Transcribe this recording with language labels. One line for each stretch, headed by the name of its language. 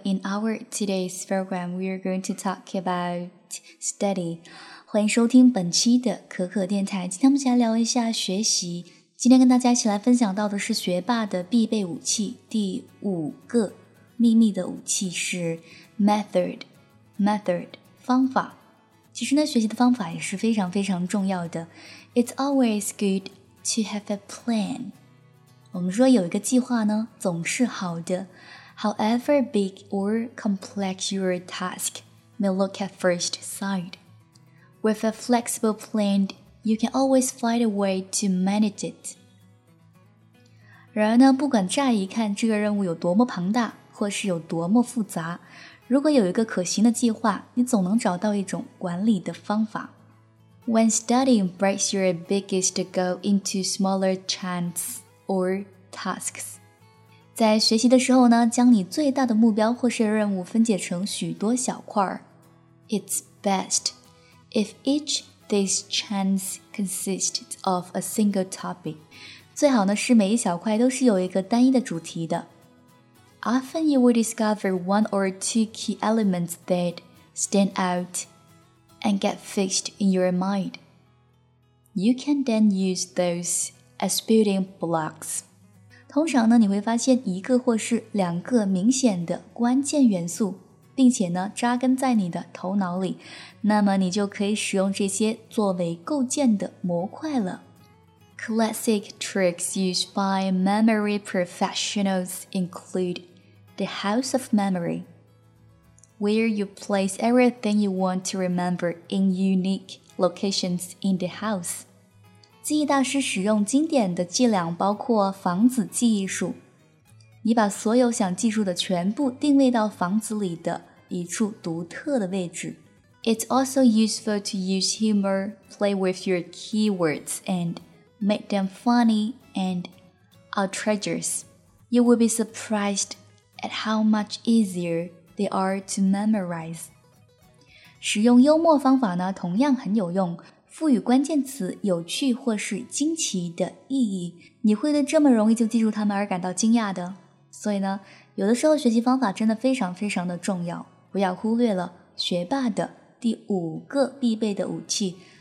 English: In our today's program, we are going to talk about study.
Chinese: 欢迎收听本期的可可电台。今天我们来聊一下学习。今天跟大家一起来分享到的是学霸的必备武器。第五个秘密的武器是 method, 方法。其实呢，学习的方法也是非常非常重要的。
English: It's always good to have a plan.
Chinese: 我们说有一个计划呢，总是好的。
English: However big or complex your task may look at first sight, with a flexible plan, you can always find a way to manage it.
Chinese: 然而呢，不管乍一看这个任务有多么庞大，或是有多么复杂，如果有一个可行的计划，你总能找到一种管理的方法。
English: When studying breaks your biggest goal into smaller chunks. Or tasks.
Chinese: 在学习的时候呢，将你最大的目标或是任务分解成许多小块。
English: It's best if each these chunks consists of a single topic.
Chinese: 最好呢是每一小块都是有一个单一的主题的。
English: Often you will discover one or two key elements that stand out and get fixed in your mind. You can then use those. As building blocks.
Chinese: 通常呢，你会发现一个或是两个明显的关键元素，并且呢，扎根在你的头脑里，那么你就可以使用这些作为构建的模块了。
English: Classic tricks used by memory professionals include the house of memory, where you place everything you want to remember in unique locations in the house.
Chinese: 记忆大师使用经典的伎俩包括房子记忆术。你把所有想记住的全部定位到房子里的一处独特的位置。
English: It's also useful to use humor, play with your keywords, and make them funny and outrageous. You will be surprised at how much easier they are to memorize.
Chinese: 使用幽默方法呢，同样很有用。赋予关键词有趣或是惊奇的意义，你会对这么容易就记住它们而感到惊讶的。所以呢，有的时候学习方法真的非常非常的重要，不要忽略了学霸的第五个必备的武器